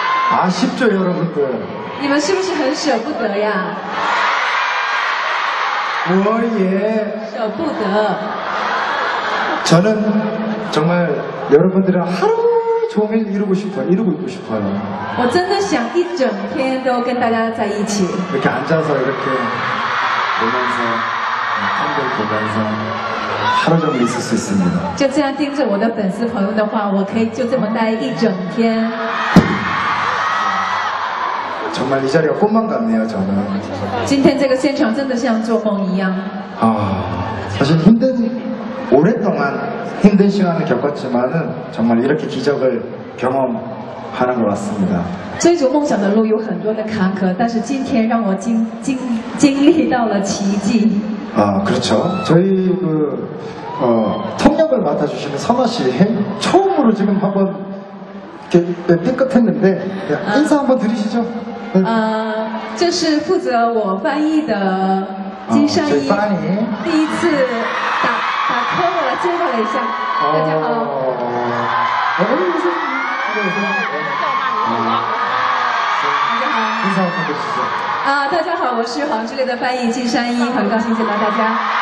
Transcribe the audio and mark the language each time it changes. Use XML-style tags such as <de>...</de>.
<ko>아쉽죠 여러분들.</ko> <zh>你们是不是很舍不得呀？我也舍不得。</zh> <ko>저는 정말 여러분들을 하루 종일 이루고 싶어 이루고 있고 싶어요.</ko> <zh>我真的想一整天都跟大家在一起。</zh> <ko>이렇게 앉아서 이렇게 보면서 한글 보면서 하루 종일 있을 수 있습니다.</ko> <zh>就这样盯着我的粉丝朋友的话，我可以就这么待一整天。</zh> <ko>정말 이 자리가 꿈만 같네요, 저는.</ko> <zh>今天这个现场真的像做梦一样.</zh> <ko>아, 사실 힘든 오랫동안 힘든 시간을 겪었지만은 정말 이렇게 기적을 경험하는 것 같습니다.</ko> <zh>追逐梦想的路有很多的坎坷，但是今天让我经历到了奇迹.</zh> <ko>아, 그렇죠. 저희 그 통역을 맡아주신 선화 씨 처음으로 지금 한번 이렇게 삐끗했는데 인사 한번 드리시죠.</ko> <zh>这是负责我翻译的金山一，第一次打call我接过了一下，大家好，我是黄志烈的翻译金山一，很高兴见到大家。</zh>